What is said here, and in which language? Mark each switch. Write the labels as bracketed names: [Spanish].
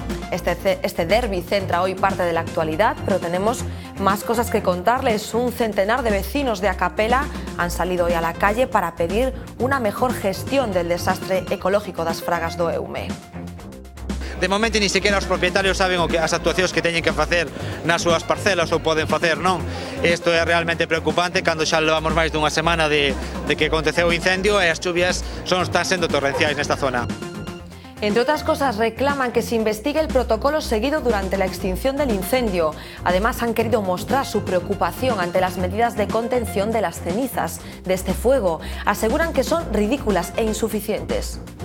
[Spanish] Este derbi centra hoy parte de la actualidad, pero tenemos más cosas que contarles. Un centenar de vecinos de Acapela han salido hoy a la calle para pedir una mejor gestión del desastre ecológico das Fragas do Eume. [Galician] De momento [Spanish] ni siquiera [Galician] os propietarios saben o que as actuacións que teñen que facer nas súas parcelas ou poden facer, non? Isto é realmente preocupante cando xa levamos máis dunha semana de que aconteceu o incendio e as chuvias son están sendo torrenciais nesta zona. [Spanish] Entre otras cosas, reclaman que se investigue el protocolo seguido durante la extinción del incendio. Además, han querido mostrar su preocupación ante las medidas de contención de las cenizas de este fuego. Aseguran que son ridículas e insuficientes.